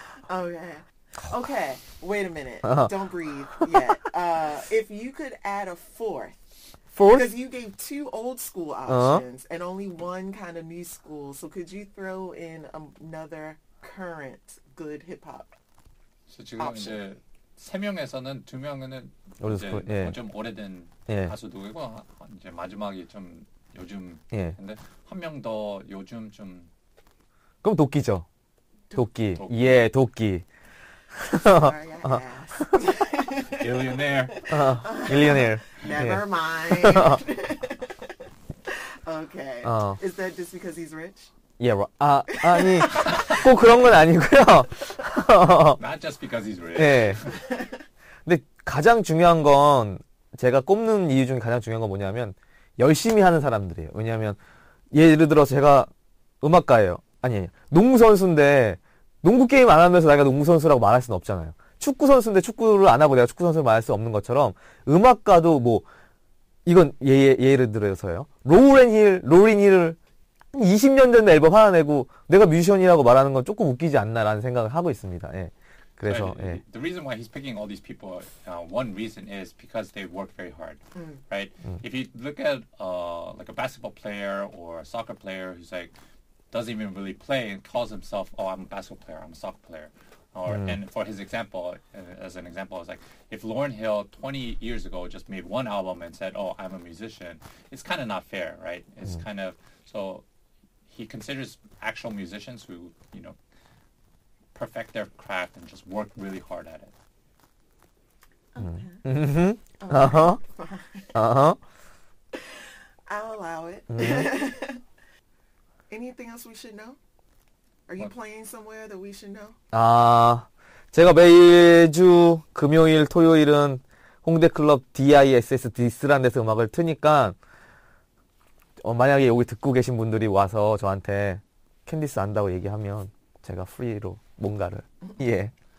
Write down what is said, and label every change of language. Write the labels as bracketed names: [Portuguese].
[English] Okay. Okay. Wait a minute. Uh-huh. Don't breathe yet. If you could add a fourth. Fourth? Because you gave two old school options and only one kind of new school. So could you throw in another current good hip hop option? [Korean] 세 명에서는 두 명은 이제 좀 오래된 가수들이고 이제 마지막이 좀 요즘 근데 한 명 더 요즘 좀 그럼 도끼죠. 도끼. 도끼. 예, 도끼. [English] Billionaire. Billionaire. Never mind. Okay. Is that just because he's rich? Yeah, well, [Korean] 아니, 꼭 그런 건 아니고요. [English] Not just because he's rich. [Korean] 네. 근데 가장 중요한 건, 제가 꼽는 이유 중에 가장 중요한 건 뭐냐면, 열심히 하는 사람들이에요. 왜냐하면, 예를 들어서 제가 음악가예요. 아니에요. 농구선수인데, 농구게임 안 하면서 내가 농구선수라고 말할 수는 없잖아요. 축구선수인데 축구를 안 하고 내가 축구선수를 말할 수 없는 것처럼, 음악가도 뭐, 이건 예를 들어서요. 롤린힐을 20년 전 앨범 하나 내고 내가 뮤지션이라고 말하는 건 조금 웃기지 않나라는 생각을 하고 있습니다. 예. 그래서 [English] so, [Korean] 예. [English] The reason why he's picking all these people, one reason is because they work very hard, right? If you look at like a basketball player or a soccer player who's like doesn't even really play and calls himself, oh, I'm a basketball player, I'm a soccer player, or and for his example, as an example, it's like if Lauryn Hill 20 years ago just made one album and said, oh, I'm a musician, it's kind of not fair, right? It's kind of so. He considers actual musicians who, you know, perfect their craft and just work really hard at it. Okay. Mm-hmm. Okay. Uh-huh. Uh-huh. I'll allow it. Mm-hmm. Anything else we should know? Are you playing somewhere that we should know? [Korean] 아, 제가 매주 금요일, 토요일은 홍대클럽 DISS 디스라는 데서 음악을 트니까 만약에 여기 듣고 계신 분들이 와서 저한테 캔디스 안다고 얘기하면 제가 프리로 뭔가를 예.